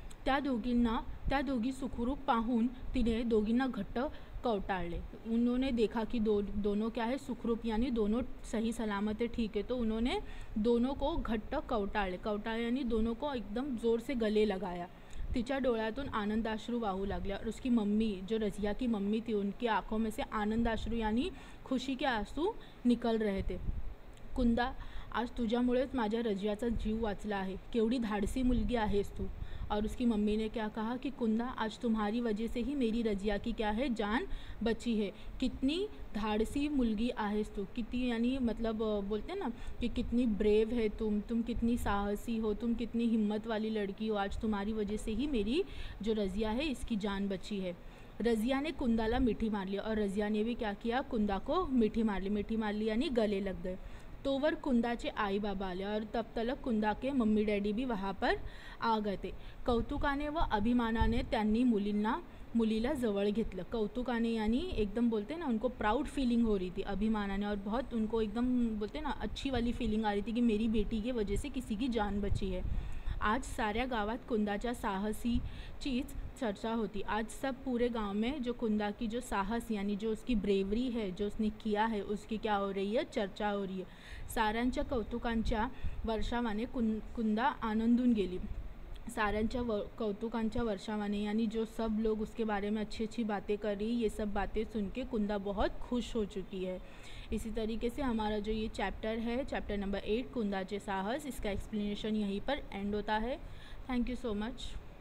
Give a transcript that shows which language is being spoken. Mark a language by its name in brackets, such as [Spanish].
[Marathi] त्या दोगी सुखरूप पाहून तिने दोगींना घट्ट कवटाळले, [Hindi] उन्होंने देखा कि दोनों क्या है सुखरूप यानी दोनों सही सलामत है ठीक है, तो उन्होंने दोनों को घट्ट कवटाळले, कवटाळले यानी दोनों को एकदम जोर से गले लगाया। [Marathi] तिच्या डोळ्यातून आनंदाश्रू वाहू लागले [Hindi] और उसकी मम्मी जो रजिया की मम्मी थी उनकी आँखों में से आनंदाश्रू यानी खुशी के आंसू निकल रहे थे। [Marathi] कुंदा आज तुझ्यामुळेच माझ्या रजियाचा जीव वाचला आहे, केवढी धाडसी मुलगी आहेस तू। [Hindi] और उसकी मम्मी ने क्या कहा कि कुंदा आज तुम्हारी वजह से ही मेरी रजिया की क्या है जान बची है, कितनी [Marathi] धाड़सी मुलगी आहेस तू, [Hindi] कितनी यानी मतलब बोलते हैं ना कि कितनी ब्रेव है तुम कितनी साहसी हो, तुम कितनी हिम्मत वाली लड़की हो, आज तुम्हारी वजह से ही मेरी जो रजिया है इसकी जान बची है। रजिया ने कुंदाला मीठी मार ली और रजिया ने भी क्या किया कुंदा को मीठी मार ली यानी गले लग गए। [Marathi] तोवर कुंदाचे आई बाबा आले [Hindi] और तब तलक कुंदा के मम्मी डैडी भी वहाँ पर आ गए थे। [Marathi] कौतुकाने व अभिमानाने त्यांनी मुलीला जवळ घेतलं, [Hindi] कौतुकाने यानी एकदम बोलते ना उनको प्राउड फीलिंग हो रही थी, अभिमानाने और बहुत उनको एकदम बोलते ना अच्छी वाली फीलिंग आ रही थी कि मेरी बेटी की वजह से किसी की जान बची है। [Marathi] आज साऱ्या गावात कुंदाच्या साहसीचीच चर्चा होती। [Hindi] आज सब पूरे गांव में जो कुंदा की जो साहस यानी जो उसकी ब्रेवरी है, जो उसने किया है, उसकी क्या हो रही है, चर्चा हो रही है। [Marathi] साऱ्यांच्या कौतुकांच्या वर्षावाने कुंदा आनंदून गेली। साऱ्यांच्या कौतुकांच्या वर्षावाने [Hindi] यानी जो सब लोग उसके बारे में अच्छी अच्छी बातें कर रही, ये सब बातें सुन के कुंदा बहुत खुश हो चुकी है। इसी तरीके से हमारा जो ये चैप्टर है, चैप्टर नंबर 8 कुंदाचे साहस, इसका एक्सप्लेनेशन यहीं पर एंड होता है। Thank you so much.